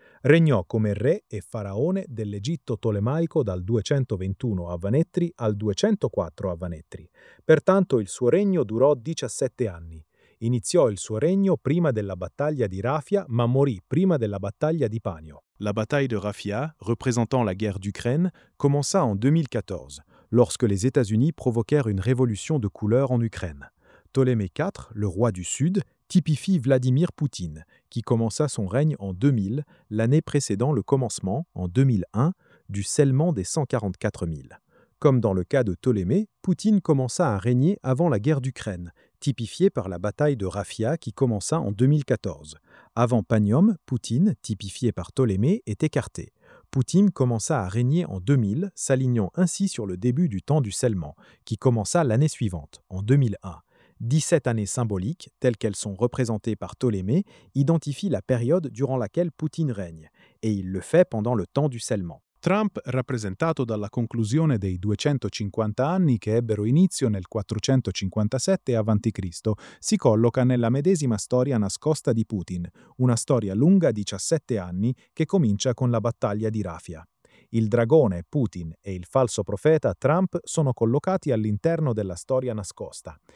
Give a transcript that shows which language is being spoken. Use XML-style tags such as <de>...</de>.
<it>Regnò come re e faraone dell'Egitto tolemaico dal 221 avanetri al 204 avanetri. Pertanto il suo regno durò 17 anni. Iniziò il suo regno prima della battaglia di Rafia, ma morì prima della battaglia di Panio.</it> <fr>La bataille de Rafia, représentant la guerre d'Ukraine, commença en 2014, lorsque les États-Unis provoquèrent une révolution de couleur en Ukraine. Ptolémée IV, le roi du Sud, typifie Vladimir Poutine, qui commença son règne en 2000, l'année précédant le commencement, en 2001, du scellement des 144 000. Comme dans le cas de Ptolémée, Poutine commença à régner avant la guerre d'Ukraine, typifié par la bataille de Rafia qui commença en 2014. Avant Panium, Poutine, typifié par Ptolémée, est écarté. Poutine commença à régner en 2000, s'alignant ainsi sur le début du temps du scellement, qui commença l'année suivante, en 2001. 17 années symboliques, telles qu'elles sont représentées par Ptolémée, identifient la période durant laquelle Poutine règne, et il le fait pendant le temps du scellement.</fr> <it>Trump, rappresentato dalla conclusione dei 250 anni che ebbero inizio nel 457 a.C., si colloca nella medesima storia nascosta di Putin, una storia lunga 17 anni che comincia con la battaglia di Rafia. Il dragone Putin e il falso profeta Trump sono collocati all'interno della storia nascosta.</it>